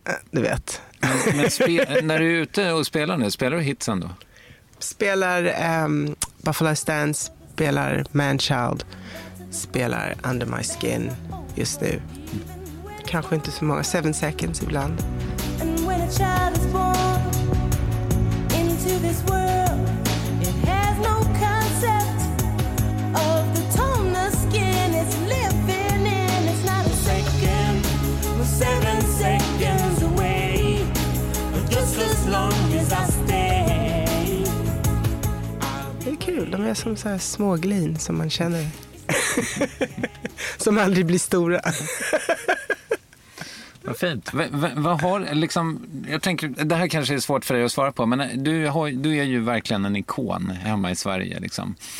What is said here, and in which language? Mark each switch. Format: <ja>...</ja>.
<sv>Du vet. När du är ute och spelar nu, spelar du hitsen då? Spelar Buffalo Stance, spelar Manchild, spelar Under My Skin just nu. Kanske inte så många, 7 Seconds ibland.</sv> <en>And when a child is born into this world, it has no concept of the tone of skin it's living in. It's not a second or 7 seconds away, but just as long as I stay.</en> <sv>Kul, de är som så här små glin som man känner. Som aldrig blir stora. Vad fint. Vad har liksom, jag tänker, det här kanske är svårt för dig att svara på, men du är ju verkligen en ikon hemma i Sverige liksom.</sv>